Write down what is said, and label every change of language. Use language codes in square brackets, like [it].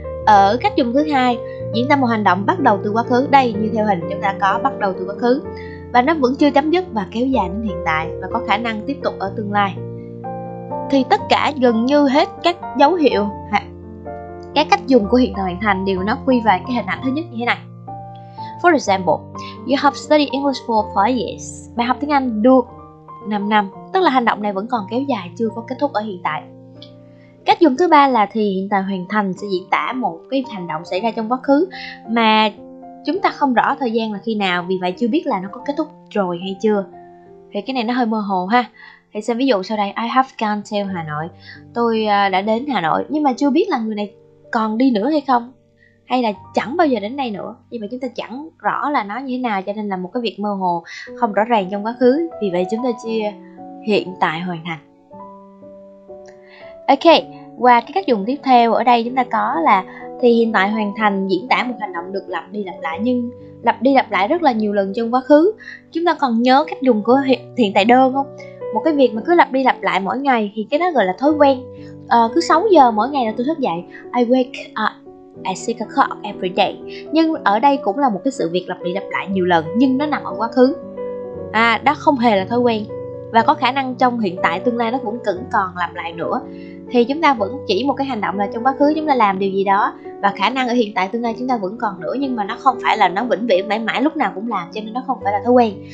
[vi] Ở cách dùng thứ hai, diễn tả một hành động bắt đầu từ quá khứ. Đây như theo hình chúng ta có bắt đầu từ quá khứ và nó vẫn chưa chấm dứt và kéo dài đến hiện tại và có khả năng tiếp tục ở tương lai. Thì tất cả gần như hết các dấu hiệu, các cách dùng của hiện tại hoàn thành đều nó quy về cái hình ảnh thứ nhất như thế này. [en] For example, you have studied English for 5 years. [vi] Bài học tiếng Anh được 5 năm. Tức là hành động này vẫn còn kéo dài, chưa có kết thúc ở hiện tại. Cách dùng thứ ba là thì hiện tại hoàn thành sẽ diễn tả một cái hành động xảy ra trong quá khứ mà chúng ta không rõ thời gian là khi nào, vì vậy chưa biết là nó có kết thúc rồi hay chưa. Thì cái này nó hơi mơ hồ ha. Thì xem ví dụ sau đây. [en] I have gone to Hà Nội. [vi] Tôi đã đến Hà Nội nhưng mà chưa biết là người này còn đi nữa hay không, hay là chẳng bao giờ đến đây nữa. Nhưng mà chúng ta chẳng rõ là nó như thế nào, cho nên là một cái việc mơ hồ không rõ ràng trong quá khứ. Vì vậy chúng ta chia hiện tại hoàn thành. Ok, và cái cách dùng tiếp theo ở đây chúng ta có là thì hiện tại hoàn thành diễn tả một hành động được lặp đi lặp lại, nhưng lặp đi lặp lại rất là nhiều lần trong quá khứ. Chúng ta còn nhớ cách dùng của hiện tại đơn không? Một cái việc mà cứ lặp đi lặp lại mỗi ngày thì cái đó gọi là thói quen. Cứ 6 giờ mỗi ngày là tôi thức dậy. [en] I wake up at 6 o'clock every day. [vi] Nhưng ở đây cũng là một cái sự việc lặp đi lặp lại nhiều lần, nhưng nó nằm ở quá khứ. À, đó không hề là thói quen, và có khả năng trong hiện tại tương lai nó cũng vẫn còn lặp lại nữa. Thì chúng ta vẫn chỉ một cái hành động là trong quá khứ chúng ta làm điều gì đó, và khả năng ở hiện tại tương lai chúng ta vẫn còn nữa, nhưng mà nó không phải là nó vĩnh viễn mãi mãi lúc nào cũng làm, cho nên nó không phải là thói quen.